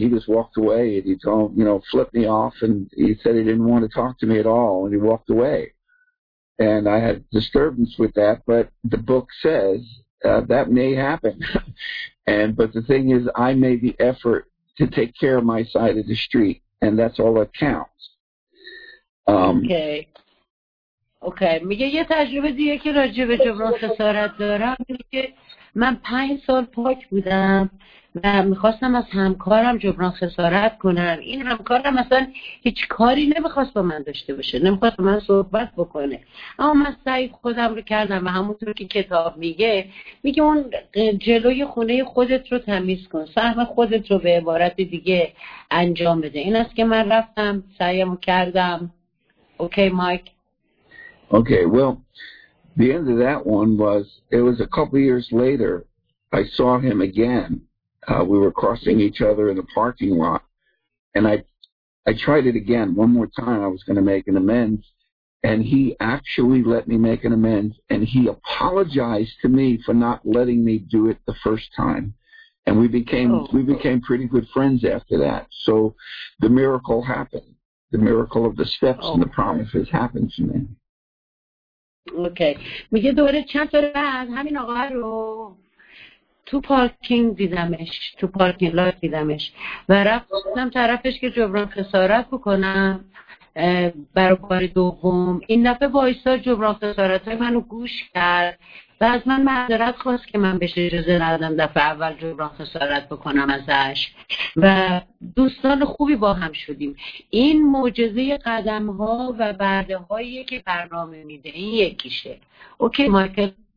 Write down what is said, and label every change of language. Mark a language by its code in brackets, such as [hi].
[en] He just walked away, and he told, you know, flipped me off, and he said he didn't want to talk to me at all, and he walked away. And I had disturbance with that, but the book says that may happen. But the thing is, I made the effort to take care of my side of the street, and that's all that counts. Okay. [fa] اوکی میگه یه تجربه دیگه که راجع به جبران خسارت دارم اینه که من 5 سال پاک بودم و میخواستم از همکارم جبران خسارت کنم این همکارم اصلا هیچ کاری نمیخواست با من داشته باشه نمیخواست با من صحبت بکنه اما من سعی خودم رو کردم و همونطور که کتاب میگه اون جلوی خونه خودت رو تمیز کن سهم خودت رو به عبارت دیگه انجام بده این است که من رفتم سعیم رو کردم اوکی مایک [en] Okay, well, the end of that one was, it was a couple of years later, I saw him again. We were crossing each other in the parking lot, and I tried it again one more time. I was going to make an amends, and he actually let me make an amends, and he apologized to me for not letting me do it the first time. And we became pretty good friends after that. So the miracle happened. The miracle of the steps and the promises happened to me. [fa] اوکی میگه دوباره چند تا بعد همین آقا رو تو پارکینگ لات دیدمش و رفتم طرفش که جبران خسارت بکنم برای بار دوم این دفعه وایسا جبران خسارت های منو گوش کرد و از من معذرت خواست که من بهش اجازه ندادم دفعه اول جبران خسارت بکنم ازش و دوستان خوبی با هم شدیم این معجزه قدم ها و برده هایی که برنامه میده این یکیشه اوکی مایکل